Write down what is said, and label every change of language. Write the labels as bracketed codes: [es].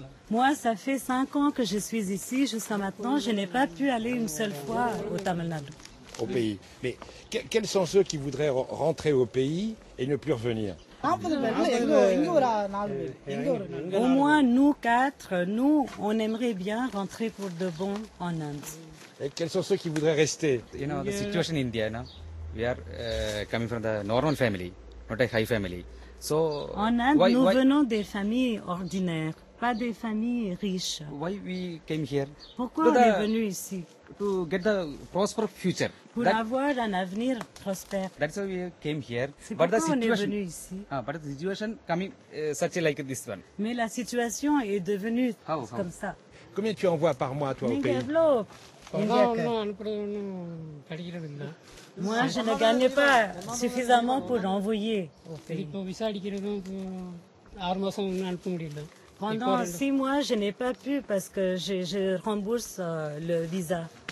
[fr] Moi, ça fait 5 ans que je suis ici. Jusqu'à maintenant, je n'ai pas pu aller une seule fois au Tamil Nadu. Au pays. Mais quels sont ceux qui voudraient rentrer au pays et ne plus revenir? Au moins, nous quatre, nous, on aimerait bien rentrer pour de bon en Inde. Et quels sont ceux qui voudraient rester? [en] You know, the situation in India, no? We are coming from the normal family, not a high family. So, [fr] en Inde, nous venons des familles ordinaires, pas des familles riches. [en] Why we came here? [fr] Pourquoi on est venu ici? [en] To get the prosper future. [fr] Pour that, avoir un avenir prospère. [en] That's why we came here. [fr] C'est but pourquoi on est venu ici. [en] But the situation coming such like this one. [fr] Mais la situation est devenue comme ça. Combien tu envoies par mois, toi, au pays? Moi, je ne gagne pas suffisamment pour envoyer au pays. Pendant 6 mois, je n'ai pas pu parce que je rembourse le visa.